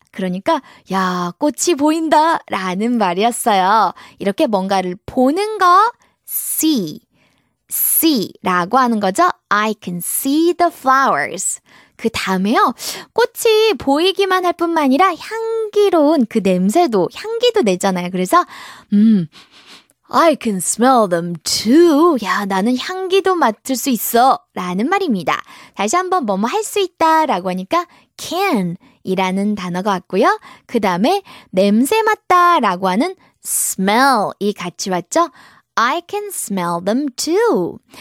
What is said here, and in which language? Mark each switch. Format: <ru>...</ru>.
<ko>그러니까 야, 꽃이 보인다 라는 말이었어요. 이렇게 뭔가를 보는 거 see 라고 하는 거죠.</ko> <en>I can see the flowers.</en> <ko>그 다음에요. 꽃이 보이기만 할 뿐만 아니라 향기로운 그 냄새도 향기도 내잖아요. 그래서</ko> <en>I can smell them too.</en> <ko>야, 나는 향기도 맡을 수 있어 라는 말입니다. 다시 한번 뭐뭐 할 수 있다 라고 하니까 can 이라는 단어가 왔고요. 그 다음에 냄새 맡다 라고 하는 smell 이 같이 왔죠.</ko> <en>I can smell them too.</en>